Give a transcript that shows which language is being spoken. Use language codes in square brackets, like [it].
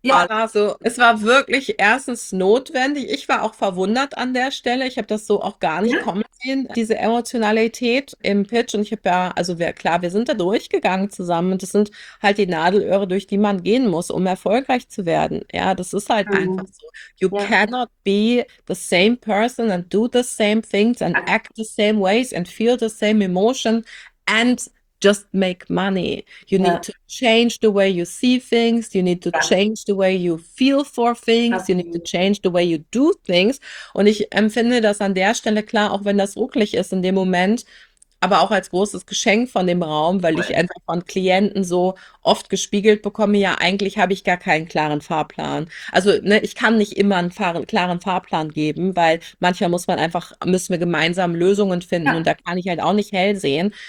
[de] Also es war wirklich erstens notwendig. Ich war auch verwundert an der Stelle. Ich habe das so auch gar nicht kommen sehen, diese Emotionalität im Pitch. Und ich habe ja, also wir sind da durchgegangen zusammen. Und das sind halt die Nadelöhre, durch die man gehen muss, um erfolgreich zu werden. Ja, das ist halt einfach so. [en] You cannot be the same person and do the same things and act the same ways and feel the same emotion and just make money. You need to change the way you see things. You need to change the way you feel for things. You need to change the way you do things. [de] Und ich empfinde das an der Stelle, klar, auch wenn das ruckelig ist in dem Moment, aber auch als großes Geschenk von dem Raum, weil ich einfach von Klienten so oft gespiegelt bekomme, ja, eigentlich habe ich gar keinen klaren Fahrplan. Also ne, ich kann nicht immer einen klaren Fahrplan geben, weil manchmal müssen wir gemeinsam Lösungen finden und da kann ich halt auch nicht hell sehen.